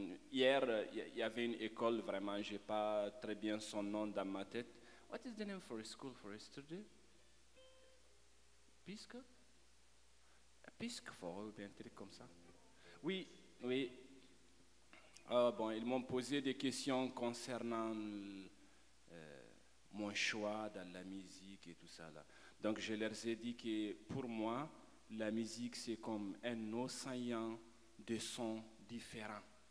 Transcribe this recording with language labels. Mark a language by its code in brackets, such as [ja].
[fr] Hier, il y avait une école, vraiment, je n'ai pas très bien son nom dans ma tête. [en] What is the name for a school for yesterday? Episcopal? [fr] Episcopal, ou bien un truc comme ça. Oui, oui. Ils m'ont posé des questions concernant mon choix dans la musique et tout ça. Là. Donc, je leur ai dit que pour moi, la musique, c'est comme un océan de sons différents.